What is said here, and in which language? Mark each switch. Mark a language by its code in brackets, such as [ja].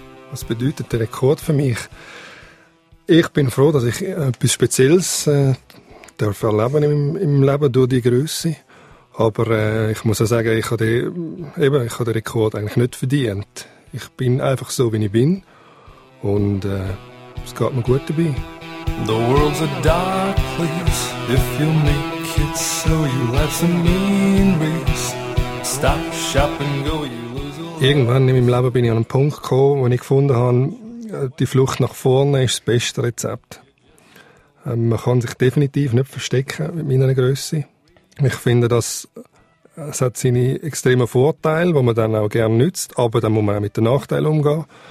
[de] Was bedeutet der Rekord für mich? Ich bin froh, dass ich etwas Spezielles erleben darf im Leben durch die Grösse. Aber ich muss auch sagen, ich habe den Rekord eigentlich nicht verdient. Ich bin einfach so, wie ich bin. Und es geht mir gut dabei. [en] The world's a dark place. If you make it so, you have some mean ways. Stop, shop and go, you lose all. [de] Irgendwann in meinem Leben bin ich an einen Punkt gekommen, wo ich gefunden habe, die Flucht nach vorne ist das beste Rezept. Man kann sich definitiv nicht verstecken mit meiner Grösse. Ich finde, es hat seine extremen Vorteile, die man dann auch gerne nützt, aber dann muss man auch mit den Nachteilen umgehen.